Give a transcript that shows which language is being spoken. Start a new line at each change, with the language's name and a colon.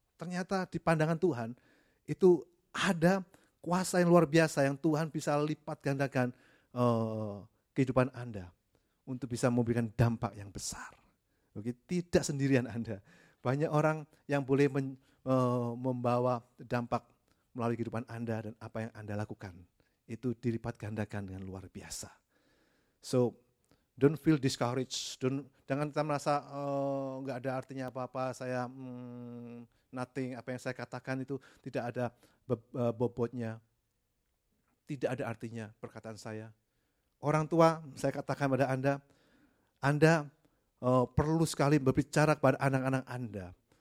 Indonesian: Ternyata di pandangan Tuhan, itu ada kuasa yang luar biasa yang Tuhan bisa lipat gandakan kehidupan Anda untuk bisa memberikan dampak yang besar. Oke, tidak sendirian Anda. Banyak orang yang boleh membawa dampak melalui kehidupan Anda dan apa yang Anda lakukan. Itu dilipat gandakan dengan luar biasa.
English: So, don't feel discouraged.
Indonesian: Jangan kita merasa enggak ada artinya apa-apa, saya nothing, apa yang saya katakan itu tidak ada bobotnya. Tidak ada artinya perkataan saya. Orang tua, saya katakan pada Anda, Anda perlu sekali berbicara kepada anak-anak Anda.